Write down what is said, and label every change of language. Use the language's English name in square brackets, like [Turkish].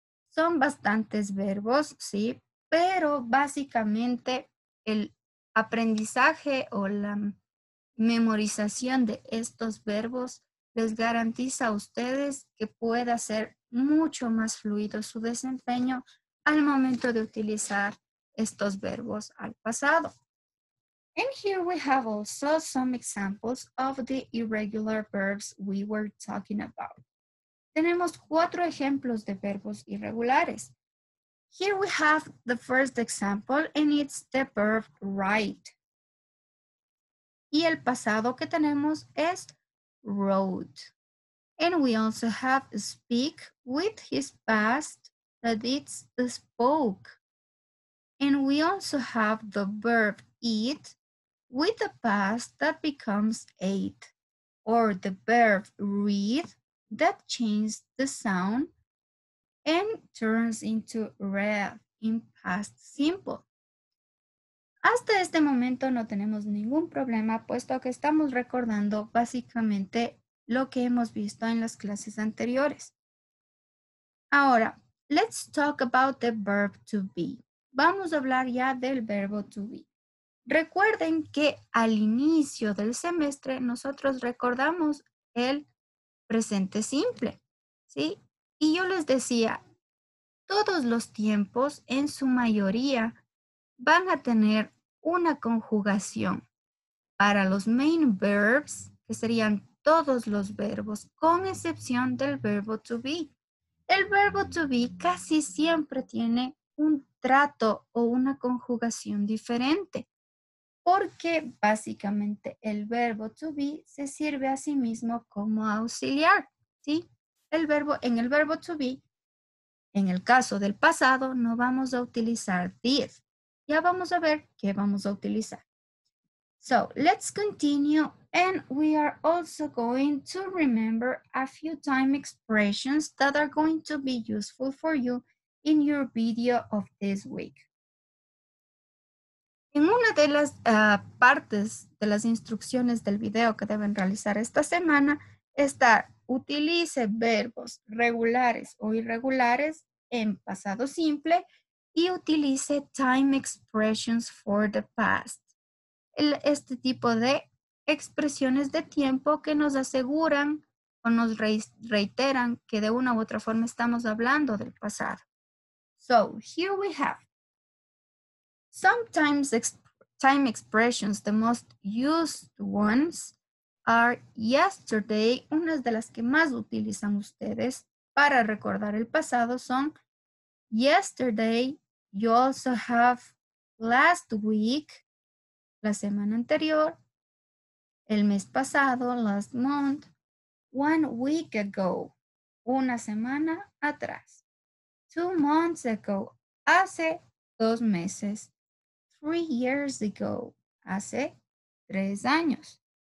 [Spanish] Son bastantes verbos, ¿sí? Pero básicamente el aprendizaje o la memorización de estos verbos les garantiza a ustedes que pueda ser mucho más fluido su desempeño al momento de utilizar estos verbos al pasado. [English] And here we have also some examples of the irregular verbs we were talking about. [Spanish] Tenemos cuatro ejemplos de verbos irregulares. [English] Here we have the first example and it's the verb write. [Spanish] Y el pasado que tenemos es [English] wrote. And we also have speak with his past that it's spoke. And we also have the verb eat with the past that becomes ate, or the verb read that changes the sound and turns into read in past simple. [Spanish] Hasta este momento no tenemos ningún problema, puesto que estamos recordando básicamente lo que hemos visto en las clases anteriores. Ahora, [English] let's talk about the verb to be. [Spanish] Vamos a hablar ya del verbo to be. Recuerden que al inicio del semestre nosotros recordamos el presente simple, ¿sí? Y yo les decía, todos los tiempos en su mayoría van a tener una conjugación para los main verbs, que serían todos los verbos, con excepción del verbo to be. El verbo to be casi siempre tiene un trato o una conjugación diferente, porque básicamente el verbo to be se sirve a sí mismo como auxiliar, ¿sí? En el verbo to be, en el caso del pasado, no vamos a utilizar did. Ya vamos a ver qué vamos a utilizar. [English] So, let's continue, and we are also going to remember a few time expressions that are going to be useful for you in your video of this week. [Spanish] En una de las partes de las instrucciones del video que deben realizar esta semana está, utilice verbos regulares o irregulares en pasado simple y utilice [English] time expressions for the past. [Spanish] Este tipo de expresiones de tiempo que nos aseguran o nos reiteran que de una u otra forma estamos hablando del pasado. [English] So, here we have. Sometimes time expressions, the most used ones, are yesterday. [Spanish] Unas de las que más utilizan ustedes para recordar el pasado son yesterday. [English] You also have last week, [Spanish] la semana anterior, el mes pasado, [English] last month, 1 week ago, [Spanish] una semana atrás, [English] 2 months ago, [Spanish] hace 2 meses, [English] 3 years ago, [Spanish] hace 3 años.